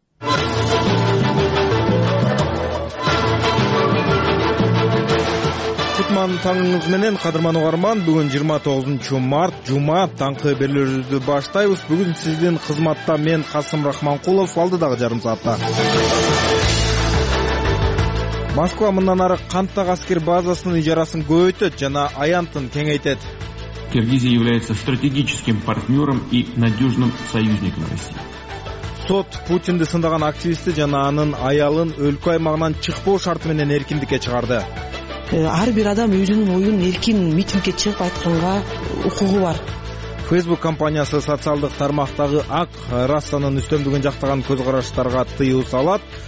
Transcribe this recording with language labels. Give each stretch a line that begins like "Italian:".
Kyrgyz: Кутман таңыңыз менен, кадырман угарман, бүгүн 29 март, жума, таңкы берүүлөрдү баштайбыз. Бүгүн сиздин кызматта мен, Касым Рахманкулов, алдыдагы жарым саатта. Москва мындан ары Кантаг аскер базасынын ижарасын көбөйтөт жана аянтын кеңейтет.
Russian: Киргизия является стратегическим партнером и надежным союзником России.
Kyrgyz: Сот Путинди сындаган активисти жана анын аялын өлкө аймагынан чыкпоо шарты менен эркиндикке чыгарды. Ар бир адам өзүнүн оюн эркин митингге чыгып айтканга укугу бар. Facebook компаниясы социалдык тармактагы ак расанын үстөмдүгүн жактаган көз караштарга тыюу салат.